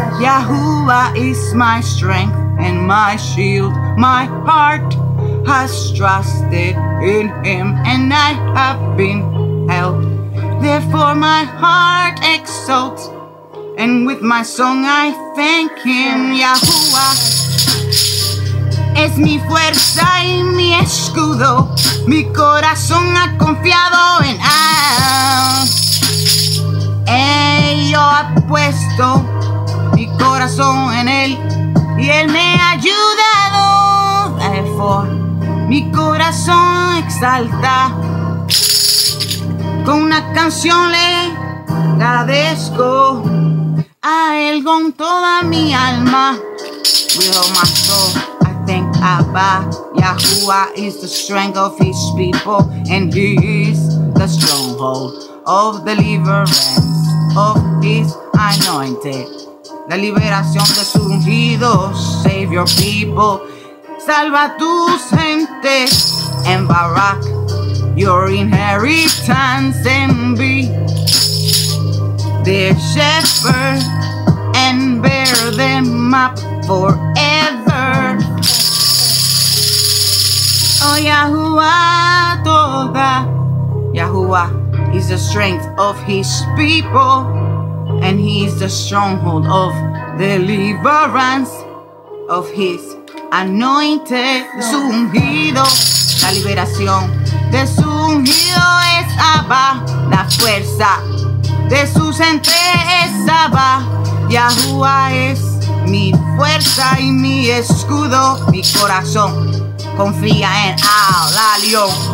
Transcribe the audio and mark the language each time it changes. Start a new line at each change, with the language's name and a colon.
English: Yahuwah is my strength and my shield, my heart has trusted in him, and I have been helped. Therefore my heart exults, and with my song I thank him.
Spanish: Yahuwah es mi fuerza y mi escudo, mi corazón ha confiado en él. Yo ha puesto mi corazón en él, y él me ha ayudado.
English: Therefore
Spanish: mi corazón exalta, con una canción le agradezco a él con toda mi alma.
English: With all my soul, I thank Abba. Yahuwah is the strength of his people, and he is the stronghold of deliverance of his anointed.
Spanish: La liberación de sus ungidos,
English: save your people.
Spanish: Salva tu gente,
English: and Barak, your inheritance, and be their shepherd, and bear them up forever. Oh Yahuwah,
Spanish: toda
English: Yahuwah is the strength of his people, and he is the stronghold of deliverance of his anointed.
Spanish: De su ungido, la liberación de su ungido es Abba. La fuerza de su gente es Abba. Yahuwah es mi fuerza y mi escudo, mi corazón confía en Alalio.